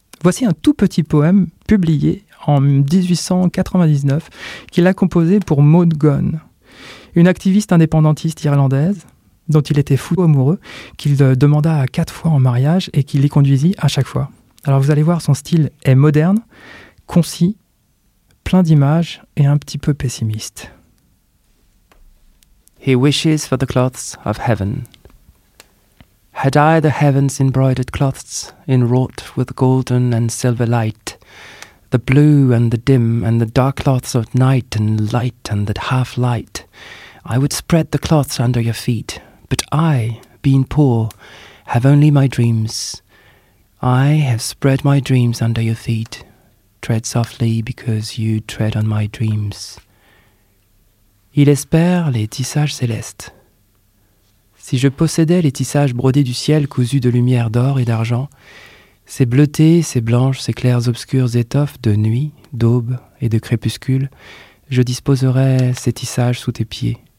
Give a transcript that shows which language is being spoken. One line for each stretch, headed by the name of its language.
French: Voici un tout petit poème publié en 1899 qu'il a composé pour Maud Gonne, une activiste indépendantiste irlandaise dont il était fou amoureux, qu'il demanda à 4 fois en mariage et qui l'y conduisit à chaque fois. Alors vous allez voir, son style est moderne, concis, plein d'images et un petit peu pessimiste.
English: He wishes for the cloths of heaven. Had I the heaven's embroidered cloths, inwrought with golden and silver light, the blue and the dim and the dark cloths of night and light and that half light, I would spread the cloths under your feet, but I, being poor, have only my dreams. I have spread my dreams under your feet. Tread softly because you tread on my dreams.
French: Il espère les tissages célestes. Si je possédais les tissages brodés du ciel cousus de lumière d'or et d'argent, ces bleutées, ces blanches, ces claires obscures étoffes de nuit, d'aube et de crépuscule, je disposerais ces tissages sous tes pieds.